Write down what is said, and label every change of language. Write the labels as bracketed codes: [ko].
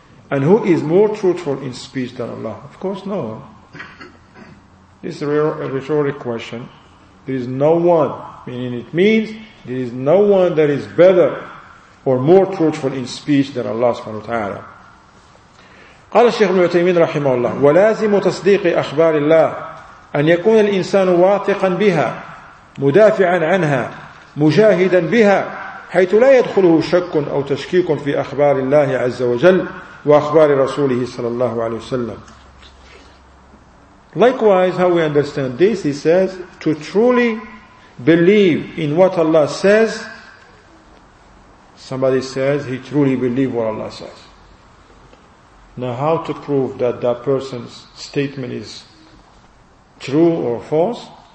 [en] And who is more truthful in speech than Allah? Of course, no one. This is a rhetoric question. There is no one. Meaning it means there is no one that is better or more truthful in speech than Allah subhanahu wa ta'ala. [ar] قال الشيخ ابن عثيمين رحمه الله ولازم تصديق أخبار الله أن يكون الإنسان واثقا بها مدافعا عنها مجاهدا بها حيث لا يدخله شك أو تشكيك في أخبار الله عز وجل وأخبار رسوله صلى الله عليه وسلم. [en] Likewise, how we understand this, he says, to truly believe in what Allah says. Somebody says he truly believes what Allah says. Now, how to prove that that person's statement is true or false?